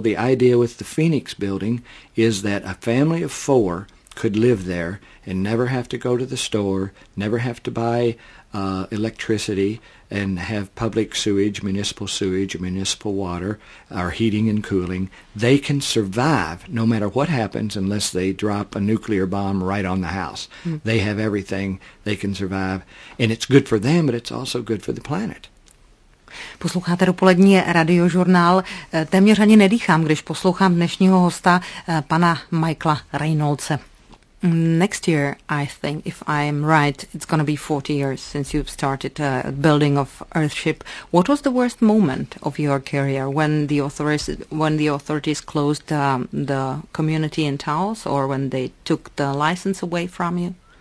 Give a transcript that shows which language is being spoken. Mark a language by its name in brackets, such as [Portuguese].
[English] The idea with the Phoenix building is that a family of four could live there and never have to go to the store, never have to buy electricity and have public sewage, municipal water, or heating and cooling. They can survive no matter what happens unless they drop a nuclear bomb right on the house. They have everything. They can survive. And it's good for them, but it's also good for the planet. [Czech] Posloucháte dopolední radiožurnál. Téměř ani nedýchám, když poslouchám dnešního hosta, pana Michaela Reynoldse. [English] Next year, I think, if I'm right, it's going to be 40 years since you've started building of Earthship. What was the worst moment of your career, when the authorities closed the community in Taos, or when they took the license away from you?